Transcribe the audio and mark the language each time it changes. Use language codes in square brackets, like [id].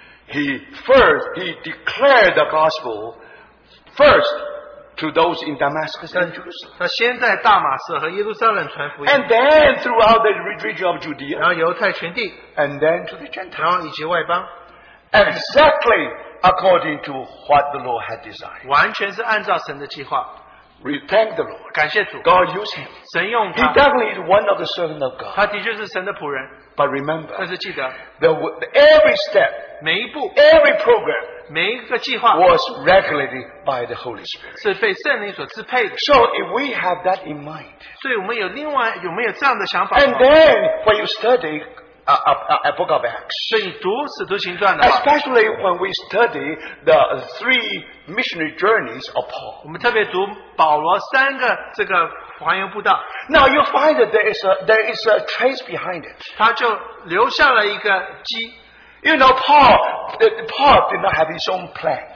[en] he declared the gospel first to those in Damascus and Jerusalem. [zh] 他先在大马色和耶路撒冷传福音, [en] and then throughout the region of Judea, [zh] 然后犹太全地, [en] and then to the Gentiles, [zh] 然后以及外邦, [en] exactly according to what the Lord had designed. [zh] 完全是按照神的计划, [en] we thank the Lord. [zh] 感谢主, [en] God used him. [zh] 神用他, [en] he definitely is one of the servants of God. [zh] 他的确是神的仆人, [en] but remember, [zh] 但是记得, [en] every step, [zh] 每一步, [en] every program, [zh] 每一个计划, [en] was regulated by the Holy Spirit. [zh] 是被圣灵所支配的, [en] so if we have that in mind, [zh] 所以我们有另外, 有没有这样的想法, [en] and then when you study a book of Acts, [zh] 所以读使徒行传的话, [en] especially when we study the three missionary journeys of Paul, [zh] 我们特别读保罗三个这个环游步道, [en] now you find that there is a trace behind it. [zh] 他就留下了一个基, [en] you know, Paul did not have his own plan,